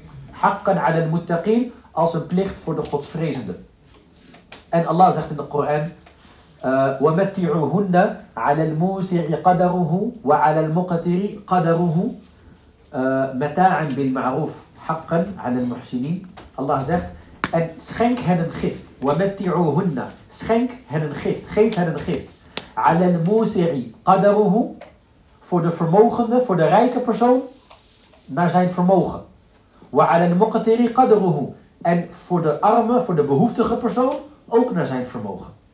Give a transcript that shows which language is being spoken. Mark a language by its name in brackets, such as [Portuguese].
[Arabic] Haqqan 'ala al muttaqin, [Dutch] als een plicht voor de godsvrezende. En Allah zegt in de Koran: [Arabic] ومتعوهن على الموسع قدره وعلى المقتر قدره متاعا بالمعروف حقا على المحسنين. [Dutch] Allah zegt: en schenk hen een gift. ومتعوهن, schenk hen een gift, geef hen een gift. [Arabic] على الموسع قدره, [Dutch] voor de vermogende, voor de rijke persoon, naar zijn vermogen. [Arabic] وعلى المقتر قدره, [Dutch] en voor de arme, voor de behoeftige persoon, ook naar zijn vermogen.